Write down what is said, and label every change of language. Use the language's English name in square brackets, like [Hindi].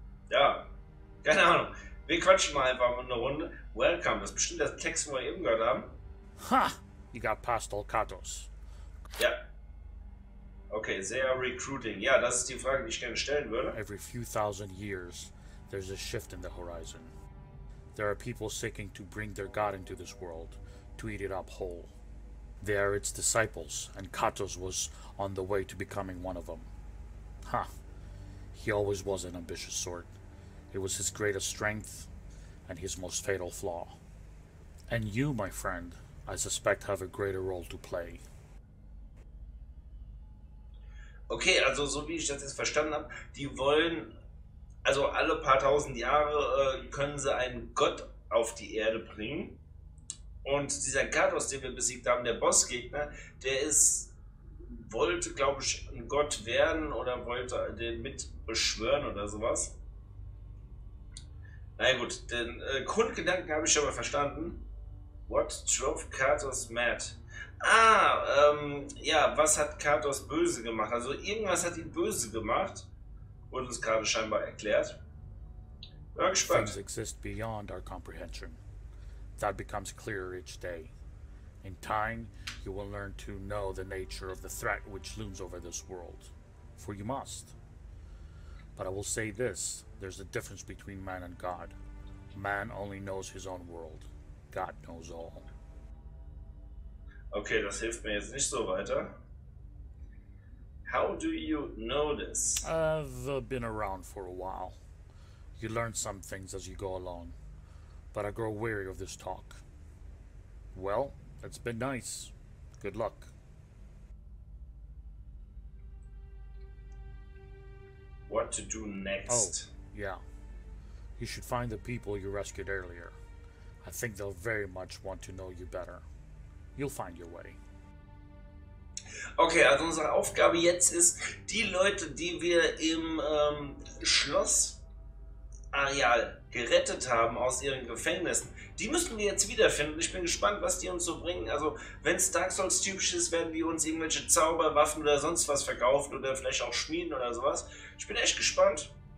[German] Ja, keine Ahnung. Wir quatschen mal einfach eine Runde. Welcome, das ist bestimmt der Text, den wir eben gehört haben. [English] Ha! You got past all Katos. Ja. Okay, they are recruiting. Ja, das ist die Frage, die ich gerne stellen würde. Every few thousand years, there's a shift in the horizon. There are people seeking to bring their god into this world, to eat it up whole. They are its disciples, and Katos was on the way to becoming one of them. Ha! He always was an ambitious sort. It was his greatest strength and his most fatal flaw. And you, my friend, I suspect have a greater role to play. [German] Okay, also so wie ich das jetzt verstanden habe, die wollen, also alle paar tausend Jahre können sie einen Gott auf die Erde bringen. Und dieser Katos, den wir besiegt haben, der Bossgegner, der ist... wollte, glaube ich, ein Gott werden oder wollte den mit beschwören oder sowas. Na naja, gut, den Grundgedanken habe ich aber verstanden. [English] What drove Katos mad? [German] Ah, ja, was hat Katos böse gemacht? Also irgendwas hat ihn böse gemacht. Wurde uns gerade scheinbar erklärt. Ja, gespannt. [English] Things exist beyond our comprehension. That becomes clearer each day. In time, you will learn to know the nature of the threat which looms over this world. For you must. But I will say this, there's a difference between man and God. Man only knows his own world. God knows all. [German] Okay, das hilft mir jetzt nicht so weiter. [English] How do you know this? I've been around for a while. You learn some things as you go along. But I grow weary of this talk. Well... it's been nice. Good luck. What to do next? Oh, yeah. You should find the people you rescued earlier. I think they'll very much want to know you better. You'll find your way. [German] Okay, also unsere Aufgabe jetzt ist, die Leute, die wir im Schloss Areal gerettet haben aus ihren Gefängnissen, die müssen wir jetzt wiederfinden. Ich bin gespannt, was die uns so bringen. Also, wenn es Dark Souls-typisch ist, werden die uns irgendwelche Zauberwaffen oder sonst was verkaufen oder vielleicht auch schmieden oder sowas. Ich bin echt gespannt.